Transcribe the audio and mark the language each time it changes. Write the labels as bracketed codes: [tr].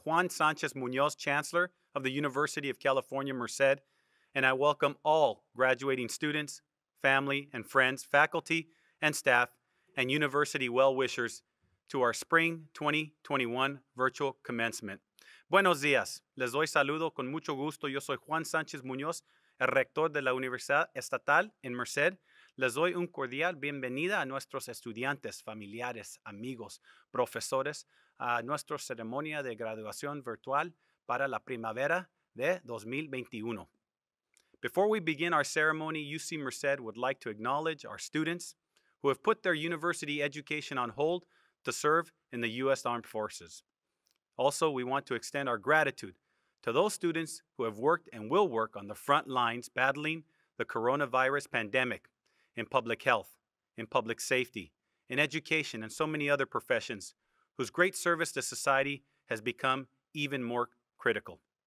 [en] Juan Sanchez Munoz, Chancellor of the University of California, Merced, and I welcome all graduating students, family and friends, faculty and staff, and university well-wishers to our Spring 2021 virtual commencement. [es] Buenos días. Les doy saludo con mucho gusto. Yo soy Juan Sanchez Munoz, el rector de la Universidad Estatal en Merced. Les doy un cordial bienvenida a nuestros estudiantes, familiares, amigos, profesores, a nuestra ceremonia de graduación virtual para la primavera de 2021. [en] Before we begin our ceremony, UC Merced would like to acknowledge our students who have put their university education on hold to serve in the U.S. Armed Forces. Also, we want to extend our gratitude to those students who have worked and will work on the front lines battling the coronavirus pandemic, in public health, in public safety, in education, and so many other professions whose great service to society has become even more critical.